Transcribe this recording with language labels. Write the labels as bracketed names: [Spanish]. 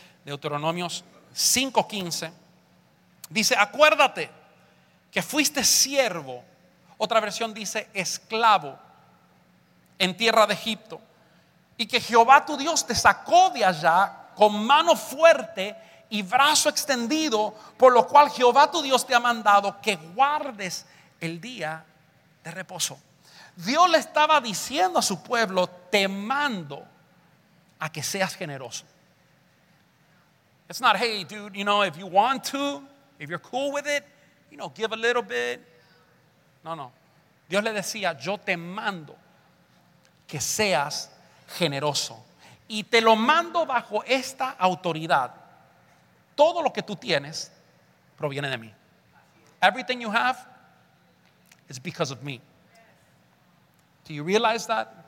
[Spanish] Deuteronomios 5:15 dice, acuérdate que fuiste siervo, otra versión dice esclavo, en tierra de Egipto, y que Jehová tu Dios te sacó de allá con mano fuerte y brazo extendido, por lo cual Jehová tu Dios te ha mandado que guardes el día de reposo. Dios le estaba diciendo a su pueblo, te mando a que seas generoso. [English] It's not, hey dude, you know, if you want to, if you're cool with it, you know, give a little bit. [Spanish] No, no. Dios le decía, yo te mando que seas generoso. Y te lo mando bajo esta autoridad. Todo lo que tú tienes proviene de mí. [English] Everything you have is because of me. Do you realize that?